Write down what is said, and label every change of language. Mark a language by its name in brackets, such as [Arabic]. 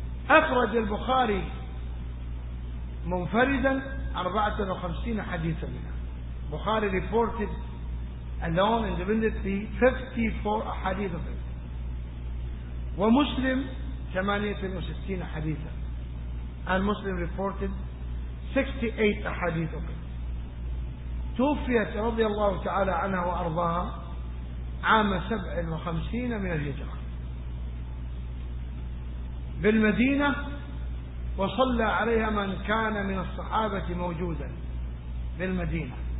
[Arabic] وأفرد البخاري منفردا 54 حديثا منها. [English] بخاري reported alone independently 54 [Arabic] حديثا منها. ومسلم 68 حديثا. [English] And Muslim reported 68 [Arabic] حديثا منها. توفيت رضي الله تعالى عنها وأرضاها عام 57 من الهجرة بالمدينة وصلى عليها من كان من الصحابة موجودا بالمدينة.